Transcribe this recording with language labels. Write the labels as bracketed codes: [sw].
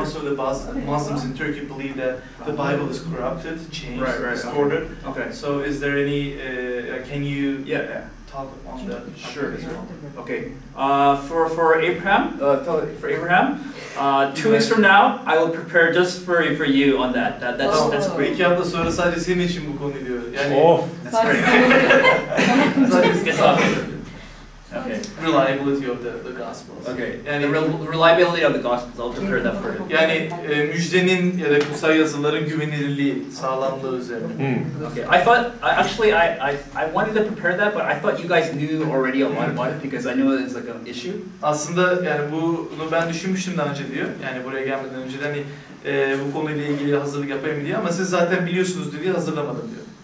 [en] Most of the Muslims in Turkey believe that the Bible is corrupted, changed, right, distorted. Okay. So is there any, can you talk on that? Sure. As well. Okay. For Abraham, two weeks from now, I will prepare just for you on that. That's great. [tr] 2 hafta sonra sadece senin için bu konuyu diyor. [en] That's great. Okay. Reliability of the Gospels. Okay. Yani reliability of the Gospels. I'll prepare that for you. [tr] Yani müjdenin ya da kutsal yazıların güvenilirliği, sağlamlığı üzerine. Hmm. [en] Okay. I wanted to prepare that, but I thought you guys knew already a lot about it because I know it's like an issue. [tr] Aslında yani bunu ben düşünmüştüm daha önce diyor. Yani buraya gelmeden önce de hani bu konuyla ilgili hazırlık yapayım diyor ama siz zaten biliyorsunuz diye hazırlamadım diyor.